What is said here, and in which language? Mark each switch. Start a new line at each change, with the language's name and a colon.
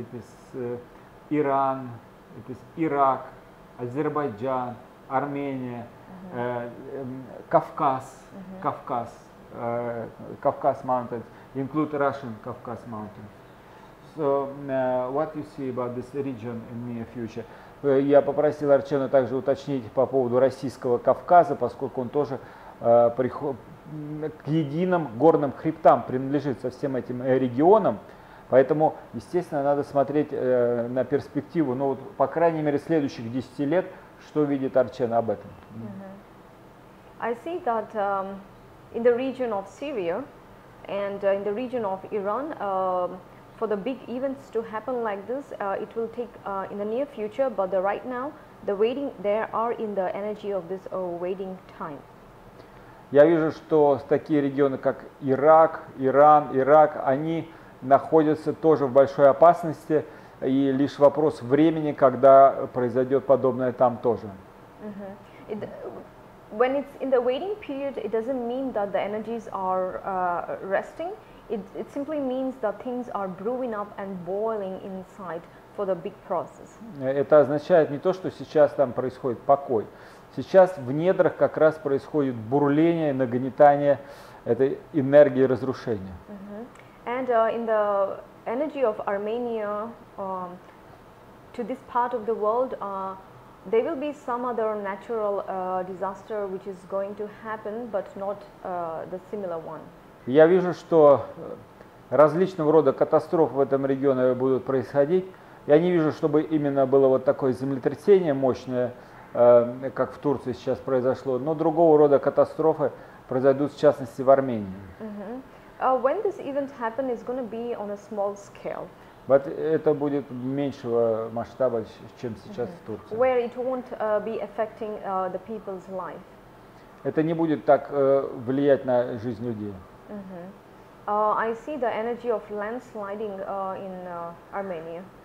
English: it is Iran, it is Iraq, Azerbaijan, Armenia, mm-hmm. Kavkaz, mm-hmm. Kavkaz, Kavkaz mountains, include Russian Kavkaz mountains. So, what you see about this region in near future?
Russian: Я попросил Арчена также уточнить по поводу российского Кавказа, поскольку он тоже к единым горным хребтам принадлежит со всем этим регионам. Поэтому, естественно, надо смотреть на перспективу, ну вот, по крайней мере, следующих 10 лет, что видит Арчена об этом.
English: Mm-hmm. I see that in the region of Syria and in the region of Iran, for the big events to happen like this, it will take in the near future, but the right now, the waiting, there are in the energy of this waiting time.
Russian: Я вижу, что такие регионы, как Ирак, Иран, Ирак, они находятся тоже в большой опасности, и лишь вопрос времени, когда произойдет подобное там тоже.
English: When it's in the waiting period, it doesn't mean that the energies are resting. It simply means that things are brewing up and boiling inside for the big process.
Russian: Это означает не то, что сейчас там происходит покой. Сейчас в недрах как раз происходит бурление, нагнетание этой энергии разрушения. Mm-hmm.
English: And in the energy of Armenia, to this part of the world, there will be some other natural disaster which is going to happen, but not the similar one.
Russian: Я вижу, что различного рода катастрофы в этом регионе будут происходить. Я не вижу, чтобы именно было вот такое землетрясение мощное, как в Турции сейчас произошло, но другого рода катастрофы произойдут, в частности, в Армении. Mm-hmm.
English: When this event happens, it's going to be on a small scale. But
Russian: это будет меньшего масштаба, чем сейчас mm-hmm. в Турции.
English: Where it won't be affecting the people's life.
Russian: Это не будет так влиять на жизнь людей. Mm-hmm.
English: I see the energy of landsliding in Armenia.